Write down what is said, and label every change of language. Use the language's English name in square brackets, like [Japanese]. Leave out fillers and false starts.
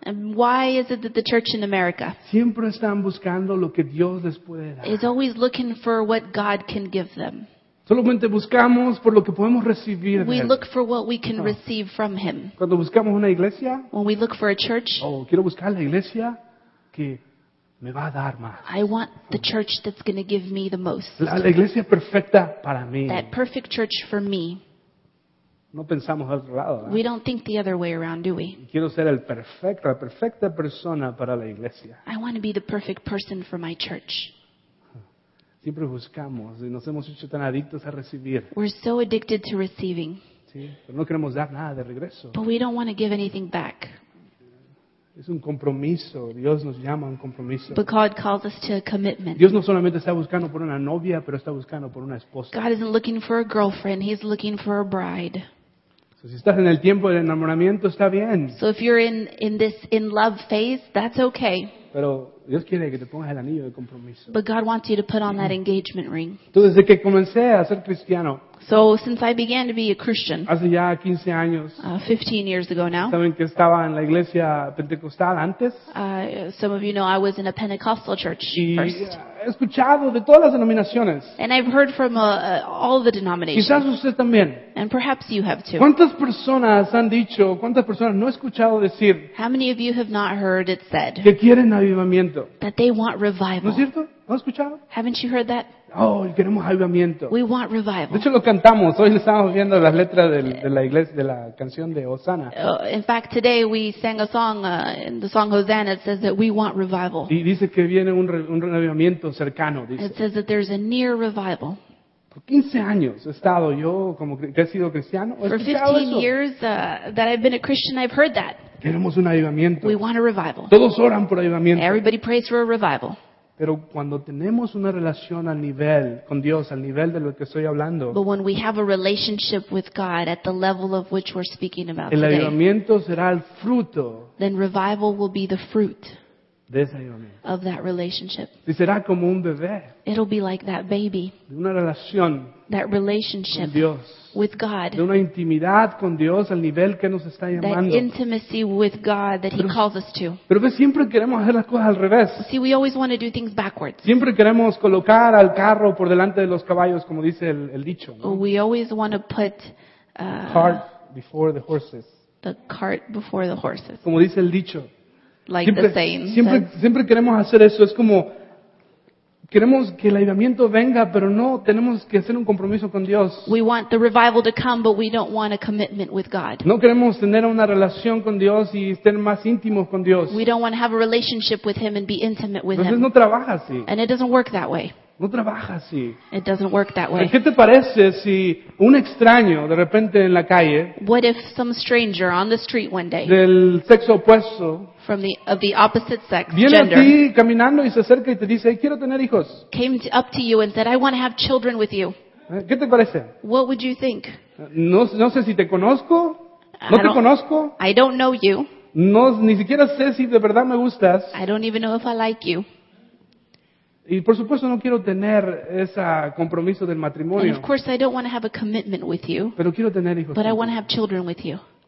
[English] And why is it that the church in America [Spanish] siempre están buscando lo que Dios les puede dar? [English] Is always looking for what God can give them. [Spanish] Solamente buscamos por lo que podemos recibir. [English] We look for what we can receive from him. [Spanish] Cuando buscamos una iglesia, [English] when we look for a church, [Spanish] quiero buscar la iglesia que me va a dar más. [English] I want the church that's going to give me the most. [Spanish] La iglesia perfecta para mí. [English] That perfect church for me. [Spanish] No pensamos al otro lado, ¿verdad? [English] We don't think the other way around, do we? [Spanish] Quiero ser el perfecto, la perfecta persona para la iglesia. [English] I want to be the perfect person for my church. [Spanish] Siempre buscamos y nos hemos hecho tan adictos a recibir. [English] We're so addicted to receiving. [Spanish] Sí, pero no queremos dar nada de regreso. [English] But we don't want to give anything back. [Spanish] Es un compromiso. Dios nos llama a un compromiso. [English] But God calls us to a commitment. [Spanish] Dios no solamente está buscando por una novia, pero está buscando por una esposa. [English] God isn't looking for a girlfriend. He's looking for a bride. [Spanish] So, si estás en el tiempo del enamoramiento, está bien. [English] So if you're in this in love phase, that's okay. [Spanish] Pero Dios quiere que te pongas el anillo de compromiso. [English] But God wants you to put on that engagement ring. [Spanish] Tú desde que comencé a ser cristiano. [English] So since I began to be a Christian. [Spanish] Hace ya 15 años. [English] 15 years ago now. [Spanish] ¿Saben que estaba en la iglesia pentecostal antes? [English] Some of you know I was in a Pentecostal church [Spanish] y [English] first. [Spanish] He escuchado de todas las denominaciones. [English] And I've heard from all the denominations. [Spanish] Quizás usted también. [English] And perhaps you have too. [Spanish] ¿Cuántas personas han dicho, cuántas personas no he escuchado decir? [English] How many of you have not heard it said? [Spanish] Que quieren avivamiento. [English] That they want revival. [Spanish] ¿No es cierto? ¿No has escuchado? [English] Haven't you heard that? [Spanish] Oh, queremos avivamiento. [English] We want revival. [Spanish] De hecho lo cantamos. Hoy estábamos viendo las letras de la iglesia, de la canción de Hosanna. [English] In fact, today we sang a song, in the song Hosanna, it says that we want revival. [Spanish] Y dice que viene un avivamiento cercano, dice. [English] It says that there's a near revival. [Spanish] Por 15 años he estado yo como que he sido cristiano. [English] For 15 years that I've been a Christian, I've heard that. [Spanish] Queremos un avivamiento. [English] We want a revival. [Spanish] Todos oran por avivamiento. [English] Everybody prays for a revival. [Spanish] Pero cuando tenemos una relación al nivel con Dios, al nivel de lo que estoy hablando, el avivamiento será el fruto. [English] Then revival will be the fruit [Spanish] de ese avivamiento. [English] Of that relationship. [Spanish] Y será como un bebé. [English] It'll be like that baby. [Spanish] De una relación. [English] That relationship [Spanish] con Dios. [English] With God. [Spanish] De una intimidad con Dios al nivel que nos está llamando. [English] That intimacy with God that He calls us to. [Spanish] Pero que siempre queremos hacer las cosas al revés. [English] See, we always want to do things backwards. [Spanish] Siempre queremos colocar al carro por delante de los caballos, como dice el dicho, ¿no? [English] We always want to put cart before the horses. The cart before the horses. [Spanish] Como dice el dicho. [English] Like [Spanish] siempre, [English] the saying. [Spanish] Siempre queremos hacer eso. Es como queremos que el avivamiento venga, pero no tenemos que hacer un compromiso con Dios. [English] We want the revival to come, but we don't want a commitment with God. [Spanish] No queremos tener una relación con Dios y estar más íntimos con Dios. [English] We don't want to have a relationship with Him and be intimate with [Spanish] Entonces, [English] Him. [Spanish] No trabaja así. [English] And it doesn't work that way. [Spanish] No trabaja así. [English] It doesn't work that way. [Spanish] ¿Qué te parece si un extraño de repente en la calle? [English] What if some stranger on the street one day? [Spanish] Del sexo opuesto. [English] Of the opposite sex, [Spanish] viene [English] gender. [Spanish] Viene a ti caminando y se acerca y te dice, hey, quiero tener hijos. [English] Came up to you and said, I want to have children with you. [Spanish] ¿Qué te parece? [English] What would you think? [Spanish] No sé si te conozco. No te conozco. [English] I don't know you. [Spanish] No, ni siquiera sé si de verdad me gustas. [English] I don't even know if I like you. [Spanish] Y por supuesto no quiero tener ese compromiso del matrimonio. [English] And of course I don't want to have a commitment with you. [Spanish] Pero quiero tener hijos. [English] But I want to have children with you.